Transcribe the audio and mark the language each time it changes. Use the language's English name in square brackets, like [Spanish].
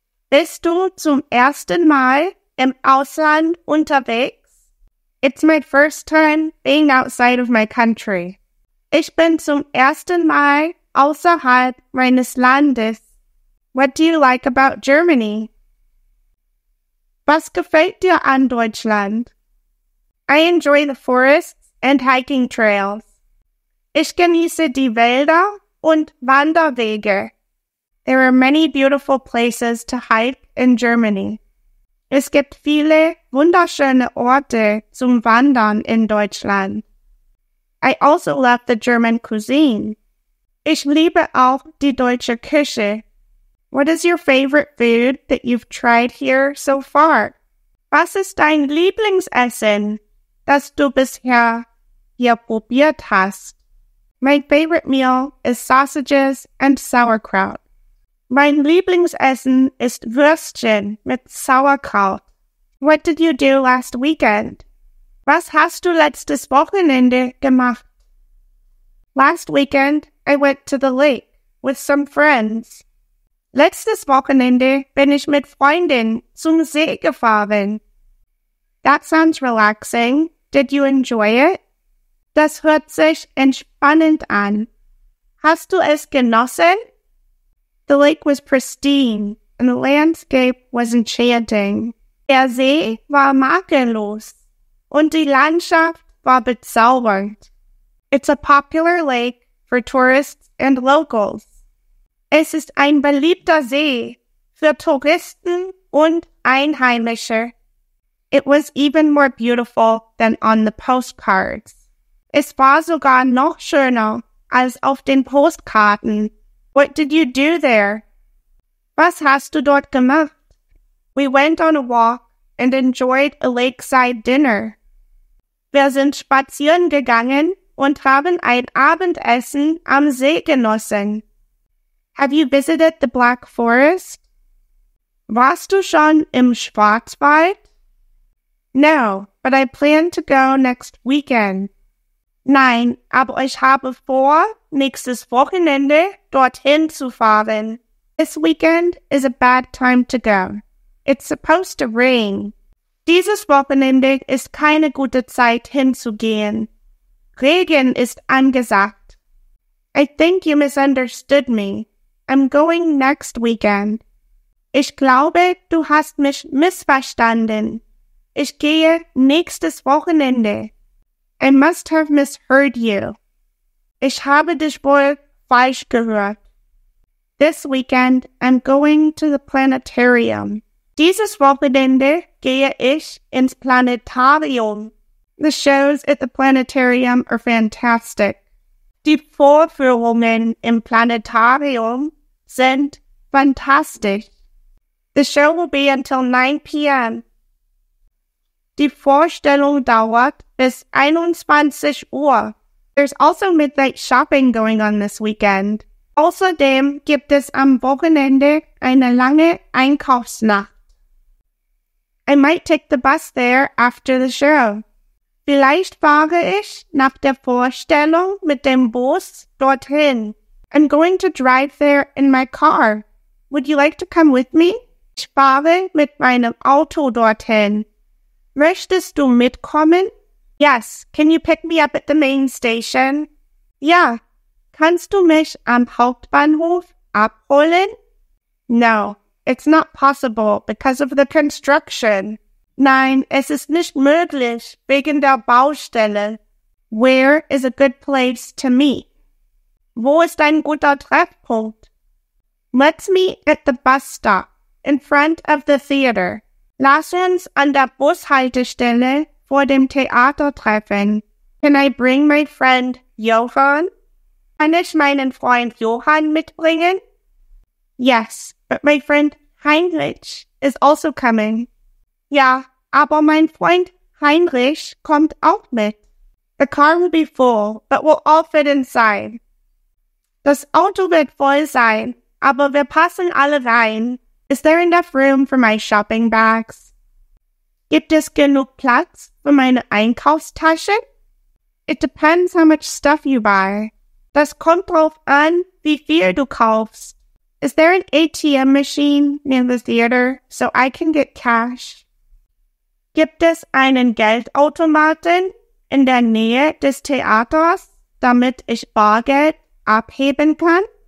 [German] Bist du zum ersten Mal im Ausland unterwegs? [English] It's my first time being outside of my country. [German] Ich bin zum ersten Mal außerhalb meines Landes. [English] What do you like about Germany? [German] Was gefällt dir an Deutschland? [English] I enjoy the forests and hiking trails. [German] Ich genieße die Wälder und Wanderwege. [English] There are many beautiful places to hike in Germany. [German] Es gibt viele wunderschöne Orte zum Wandern in Deutschland. [English] I also love the German cuisine. [German] Ich liebe auch die deutsche Küche. [English] What is your favorite food that you've tried here so far? [German] Was ist dein Lieblingsessen, das du bisher hier probiert hast? [English] My favorite meal is sausages and sauerkraut. [German] Mein Lieblingsessen ist Würstchen mit Sauerkraut. [English] What did you do last weekend? [German] Was hast du letztes Wochenende gemacht? [English] Last weekend, I went to the lake with some friends. [German] Letztes Wochenende bin ich mit Freunden zum See gefahren. [English] That sounds relaxing. Did you enjoy it? [German] Das hört sich entspannend an. Hast du es genossen? [English] The lake was pristine and the landscape was enchanting. [German] Der See war makellos und die Landschaft war bezaubernd. [English] It's a popular lake for tourists and locals. [German] Es ist ein beliebter See für Touristen und Einheimische. [English] It was even more beautiful than on the postcards. [German] Es war sogar noch schöner als auf den Postkarten. [English] What did you do there? [German] Was hast du dort gemacht? [English] We went on a walk and enjoyed a lakeside dinner. [German] Wir sind spazieren gegangen und haben ein Abendessen am See genossen. [English] Have you visited the Black Forest? [German] Warst du schon im Schwarzwald? [English] No, but I plan to go next weekend. [German] Nein, aber ich habe vor, nächstes Wochenende dorthin zu fahren. [English] This weekend is a bad time to go. It's supposed to rain. [German] Dieses Wochenende ist keine gute Zeit hinzugehen. Regen ist angesagt. [English] I think you misunderstood me. I'm going next weekend. [German] Ich glaube, du hast mich missverstanden. Ich gehe nächstes Wochenende. [English] I must have misheard you. [German] Ich habe dich wohl falsch gehört. [English] This weekend, I'm going to the planetarium. [German] Dieses Wochenende gehe ich ins Planetarium. [English] The shows at the planetarium are fantastic. [German] Die Vorführungen im Planetarium sind fantastisch. [English] The show will be until 9 p.m. [German] Die Vorstellung dauert bis 21 Uhr. [English] There's also midnight shopping going on this weekend. [German] Außerdem gibt es am Wochenende eine lange Einkaufsnacht. [English] I might take the bus there after the show. [German] Vielleicht fahre ich nach der Vorstellung mit dem Bus dorthin. [English] I'm going to drive there in my car. Would you like to come with me? [German] Ich fahre mit meinem Auto dorthin. Möchtest du mitkommen? [English] Yes, can you pick me up at the main station? [German] Ja, kannst du mich am Hauptbahnhof abholen? [English] No, it's not possible because of the construction. [German] Nein, es ist nicht möglich wegen der Baustelle. [English] Where is a good place to meet? [German] Wo ist ein guter Treffpunkt? [English] Let's meet at the bus stop in front of the theater. [German] Lass uns an der Bushaltestelle vor dem Theater treffen. [English] Can I bring my friend Johann? [German] Kann ich meinen Freund Johann mitbringen? [English] Yes, but my friend Heinrich is also coming. [German] Ja, aber mein Freund Heinrich kommt auch mit. [English] The car will be full, but we'll all fit inside. [German] Das Auto wird voll sein, aber wir passen alle rein. [English] Is there enough room for my shopping bags? [German] Gibt es genug Platz für meine Einkaufstasche? [English] It depends how much stuff you buy. [German] Das kommt drauf an, wie viel du kaufst. [English] Is there an ATM machine near the theater so I can get cash? [German] Gibt es einen Geldautomaten in der Nähe des Theaters, damit ich Bargeld abheben kann?